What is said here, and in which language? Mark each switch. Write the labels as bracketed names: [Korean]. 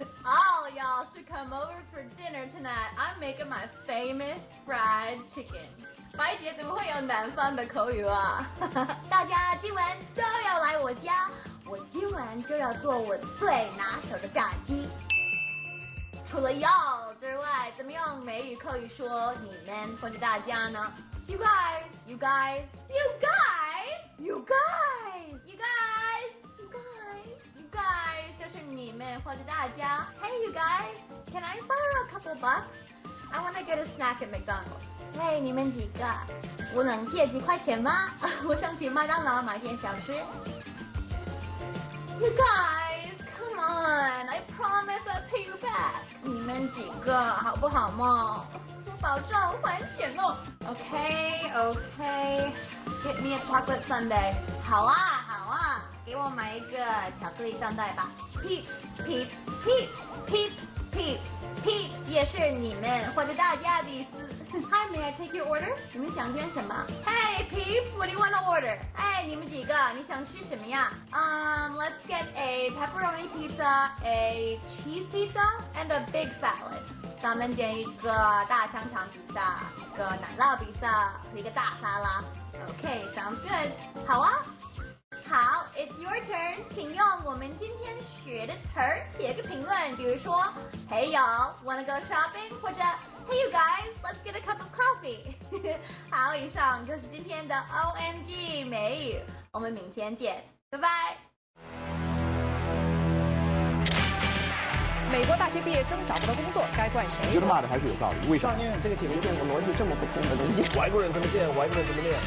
[English] All y'all should come over for dinner tonight. I'm making my famous fried chicken. [Chinese] 白姐怎么会有南方的口语啊？大家今晚都要来我家，我今晚就要做我最拿手的炸鸡。除了 y'all 之外，怎么用美语口语说你们或者大家呢？ [English] You guys, you guys, you guys, you guys, you guys, you guys, you guys, [Chinese] 就是你们或者大家。 [English] Hey, you guys, can I borrow a couple of bucks? I want to get a snack at McDonald's. Hey, [Chinese] 你们几个，我能借几块钱吗？我想去麦当劳买点小吃。 [English] You guys. Come on, I promise I'll pay you back. [Chinese] 你们几个好不好嘛？我保证还钱哦。 [English] Okay, okay. Get me a chocolate sundae. [Chinese] 好啊，好啊，给我买一个巧克力上袋吧。 [English] Peeps, peeps, peeps, peeps, peeps, peeps [Chinese] 也是你们或者大家的意思。 [English] Hi, may I take your order? [Chinese] 你们想点什么？ [English] Hey, peeps, what do you want to order? [Chinese] 哎，你们几个，你想吃什么呀？ [English] Let's get a pepperoni pizza, a cheese pizza, and a big salad. [Chinese] 咱们点一个大香肠披萨，一个奶酪披萨，一个大沙拉。 [English] Okay, sounds good. [Chinese] 好啊。好， [English] it's your turn. [Chinese] 请用我们今天学的词儿写个评论，比如说 [English] Hey, y'all, wanna go shopping? 或者Hey you guys, let's get a cup of coffee. [Chinese] 好，以上就是今天的 OMG 美语，我们明天见，拜拜。美国大学毕业生找不到工作，该怪谁？我觉得骂的还是有道理。为什么？少年，这个解雇见我逻辑这么不通的东西。外国人怎么见？外国人怎么练？